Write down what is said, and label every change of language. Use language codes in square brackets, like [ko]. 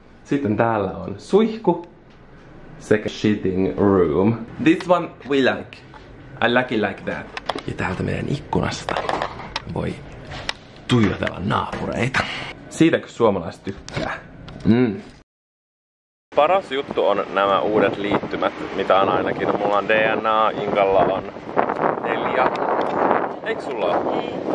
[fi] Sitten täällä on suihku sekä shitting room. [en] This one we like. I like it like that. [fi] Ja täältä meidän ikkunasta voi tuijotella naapureita. Siitäkö suomalaiset tykkää? Paras juttu on nämä uudet liittymät, mitä on ainakin. Mulla on DNA, Inkalla on 4. Eikö sulla ole?